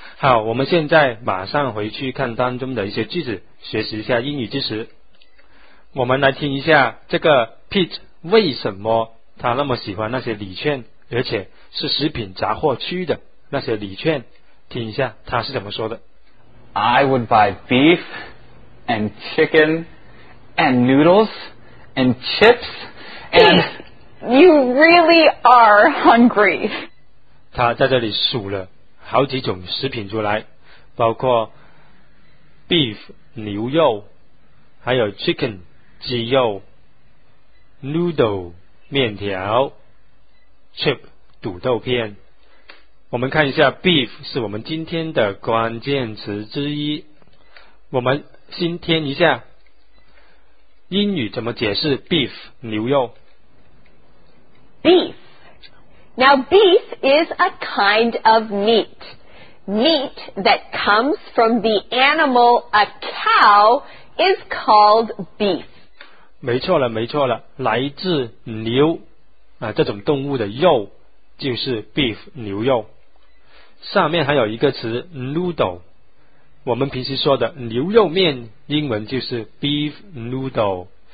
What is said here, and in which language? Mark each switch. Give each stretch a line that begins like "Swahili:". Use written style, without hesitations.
Chinese: 好，我们现在马上回去看当中的一些句子，学习一下英语知识。我们来听一下这个 Pete 为什么他那么喜欢那些礼券，而且是食品杂货区的那些礼券，听一下他是怎么说的。
English: I would buy beef and chicken and noodles and chips and... You really are hungry.
Chinese: 他在这里数了好几种食品出来，包括 beef 牛肉，还有 chicken 鸡肉， noodle 面条， chip 土豆片。我们看一下 beef 是我们今天的关键词之一，我们先听一下英语怎么解释 beef 牛肉。
English: Beef. Now beef is a kind of meat. Meat that comes from the animal a cow is called beef.
Chinese: 没错了没错了，来自牛啊这种动物的肉就是 beef 牛肉。上面还有一个词 noodle， 我们平时说的牛肉面英文就是 beef noodle。